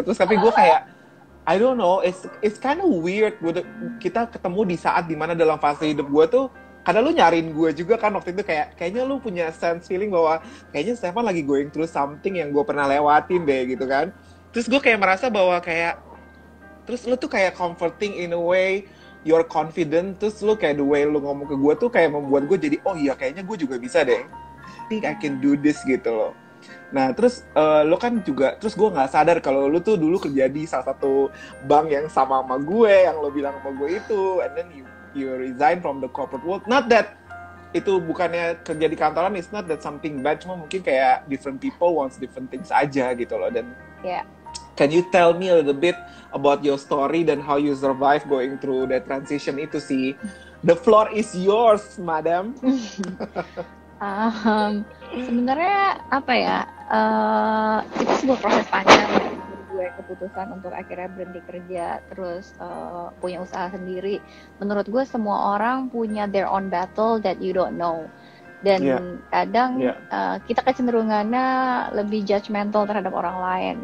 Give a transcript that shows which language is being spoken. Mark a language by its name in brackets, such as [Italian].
[Indonesian] Terus tapi gue kayak, [English] I don't know, it's kind of weird. [Indonesian] Kita ketemu di saat dimana dalam fase hidup gue tuh, karena lu nyariin gue juga kan waktu itu, kayak kayaknya lu punya sense feeling bahwa kayaknya Stefan lagi [English] going through something [Indonesian] yang gue pernah lewatin deh gitu kan. Terus gue kayak merasa bahwa kayak, terus lu tuh kayak [English] comforting in a way, you're confident, [Indonesian] terus lu kayak [English] the way [Indonesian] lu ngomong ke gue tuh kayak membuat gue jadi, oh iya kayaknya gue juga bisa deh, [English] I think I can do this [Indonesian] gitu loh. Nah, terus lo kan juga, terus gue gak sadar kalau lo tuh dulu kerja di salah satu bank yang sama sama gue, yang lo bilang sama gue itu, [English] and then you resign from the corporate world. Not that, [Indonesian] itu bukannya kerja di kantoran, [English] it's not that something bad, [Indonesian] cuma mungkin kayak [English] different people wants different things [Indonesian] aja gitu loh. Dan, [English] yeah. Can you tell me a little bit about your story [Indonesian] dan [English] how you survive going through the transition [Indonesian] itu sih? [English] The floor is yours, madam. [Indonesian] Sebenarnya apa ya, itu sebuah proses panjang dari gue keputusan untuk akhirnya berhenti kerja terus punya usaha sendiri. Menurut gue semua orang punya [English] their own battle that you don't know, [Indonesian] dan kadang kita kecenderungannya lebih judgmental terhadap orang lain.